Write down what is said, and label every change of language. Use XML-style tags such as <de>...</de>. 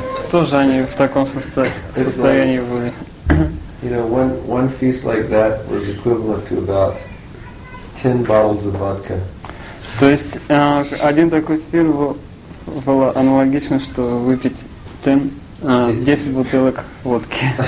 <ru>Тоже они в таком состоянии были.</ru> <en>You know, one feast like that was equivalent to about 10 bottles of vodka.</en> <ru>То есть один такой пир было аналогично, что выпить 10 бутылок водки.</ru>